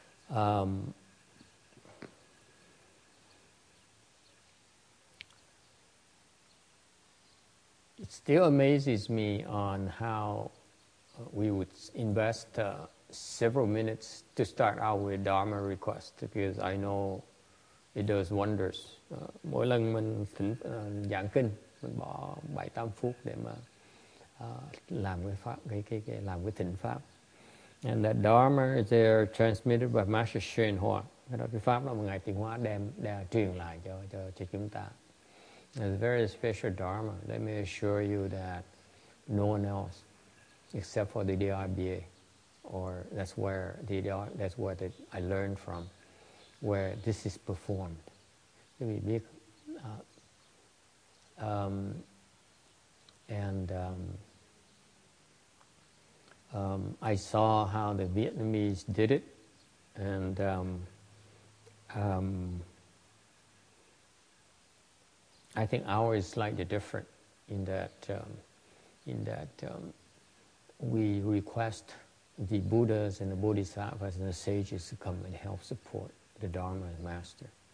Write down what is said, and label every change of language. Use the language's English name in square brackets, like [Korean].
[English] It still amazes me on how we would invest several minutes to start out with Dharma requests, because I know it does wonders. [Vietnamese] Mỗi lần mình giảng kinh, mình bỏ 7-8 phút để mà làm cái pháp, cái làm cái thỉnh pháp. And that Dharma is there transmitted by Master Shenhua. Cái đó cái pháp đó mà ngài Tiên Hóa đem truyền lại cho chúng ta. [English] It's a very special dharma. Let me assure you that no one else, except for the DRBA, or that's where I learned from, where this is performed. Let me be, I saw how the Vietnamese did it, and I think ours is slightly different in that we request the Buddhas and the Bodhisattvas and the sages to come and help support the Dharma and Master.